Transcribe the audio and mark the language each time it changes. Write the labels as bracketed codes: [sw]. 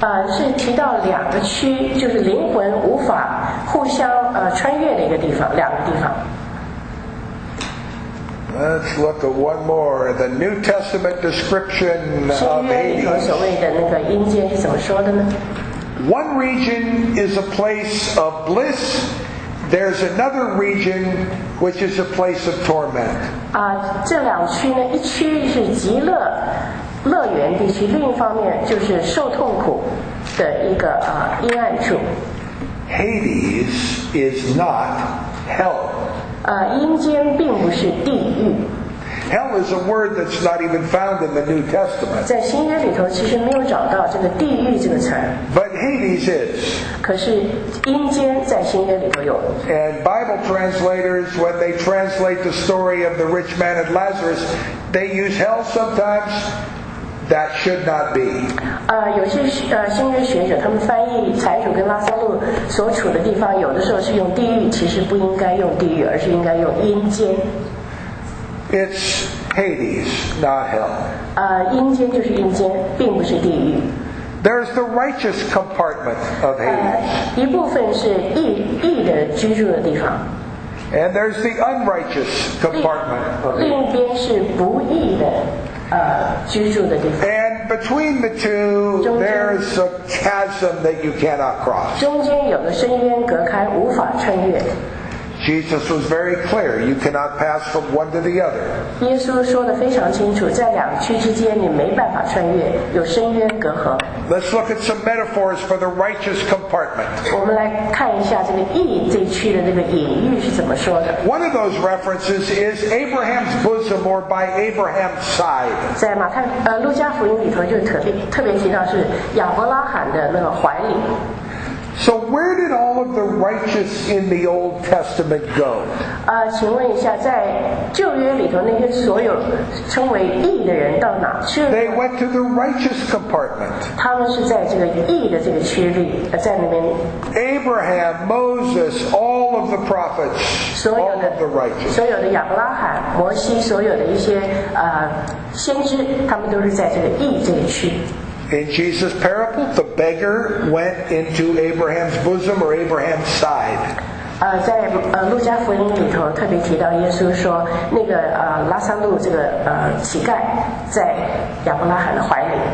[zh] 是提到两个区，就是灵魂无法互相穿越的一个地方，两个地方。 [en] Let's look at one more. The New Testament description of Hades. [zh] 新约里头所谓的那个阴间是怎么说的呢？ [en] One region is a place of bliss. There's another region which is a place of torment. [zh] 这两区呢，一区是极乐乐园地区，另一方面就是受痛苦的一个阴暗处。 [en] Hades is not hell. [zh] 阴间并不是地狱。 [en] Hell is a word that's not even found in the New Testament. [zh] 在新约里头其实没有找到这个地狱这个词。 [en] But Hades is. [zh] 可是阴间在新约里头有。 [en] And Bible translators, when they translate the story of the rich man and Lazarus, they use hell sometimes. That should not be. [zh] 有些新约学者他们翻译财主跟拉撒路所处的地方，有的时候是用地狱，其实不应该用地狱，而是应该用阴间。 [en] It's Hades, not hell. [zh] 阴间就是阴间，并不是地狱。 [en] There's the righteous compartment of Hades. [zh] 一部分是义的居住的地方。 [en] And there's the unrighteous compartment of Hades. [zh] 另一边是不义的居住的地方。 [en] And between the two, there's a chasm that you cannot cross. [zh] 中间有个深渊隔开，无法穿越。 [en] Jesus was very clear, you cannot pass from one to the other. [zh] 耶稣说得非常清楚，在两区之间你没办法穿越，有深渊隔阂。 [en] Let's look at some metaphors for the righteous compartment. [zh] 我们来看一下这个义这区的那个隐喻是怎么说的。 [en] One of those references is Abraham's bosom or by Abraham's side. [zh] 在马太路加福音里头就特别提到是亚伯拉罕的那个怀里。 [en] So where did all of the righteous in the Old Testament go? [zh] 请问一下，在旧约里头那些所有称为义的人到哪去了？ [en] They went to the righteous compartment. [zh] 他们是在这个义的这个区里，在那边。 [en] Abraham, Moses, all of the prophets, all of the righteous. [zh] 所有的亚伯拉罕、摩西，所有的一些先知，他们都是在这个义这个区。 [en] In Jesus' parable, the beggar went into Abraham's bosom or Abraham's side. [zh] 在路加福音里头特别提到耶稣说，那个拉撒路这个乞丐在亚伯拉罕的怀里。